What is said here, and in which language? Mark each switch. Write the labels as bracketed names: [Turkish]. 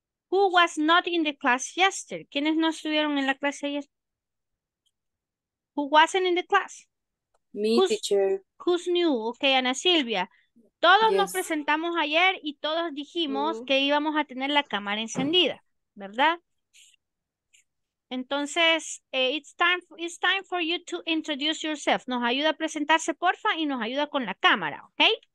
[English] Who was not in the class yesterday? [Spanish] ¿Quiénes no estuvieron en la clase ayer? [English] Who wasn't in the class? Me, who's, teacher. Who's new? Okay, Ana Silvia. [Spanish] Todos nos presentamos ayer y todos dijimos que íbamos a tener la cámara encendida, ¿verdad? [English] Entonces, it's time for you to introduce yourself. [Spanish] Nos ayuda a presentarse, porfa, y nos ayuda con la cámara, okay?